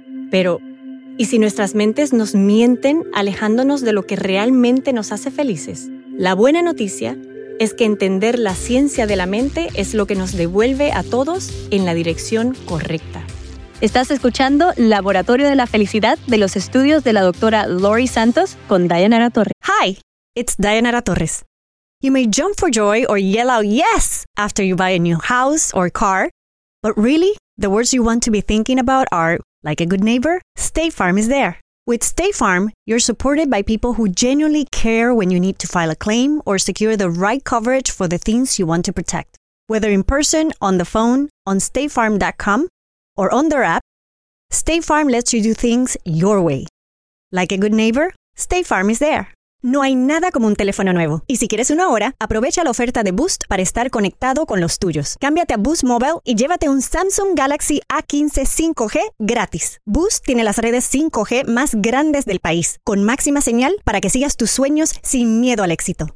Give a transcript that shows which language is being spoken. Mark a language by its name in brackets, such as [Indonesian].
[Spanish] Pero, ¿y si nuestras mentes nos mienten alejándonos de lo que realmente nos hace felices? La buena noticia es que entender la ciencia de la mente es lo que nos devuelve a todos en la dirección correcta. Estás escuchando Laboratorio de la Felicidad de los estudios de la doctora Lori Santos con Dayanara Torres. [English] Hi, it's Dayanara Torres. You may jump for joy or yell out yes after you buy a new house or car, but really, the words you want to be thinking about are, like a good neighbor, State Farm is there. With State Farm, you're supported by people who genuinely care when you need to file a claim or secure the right coverage for the things you want to protect. Whether in person, on the phone, on statefarm.com, or on their app, State Farm lets you do things your way. Like a good neighbor, State Farm is there. [Spanish] No hay nada como un teléfono nuevo. Y si quieres uno ahora, aprovecha la oferta de Boost para estar conectado con los tuyos. Cámbiate a Boost Mobile y llévate un Samsung Galaxy A15 5G gratis. Boost tiene las redes 5G más grandes del país, con máxima señal para que sigas tus sueños sin miedo al éxito.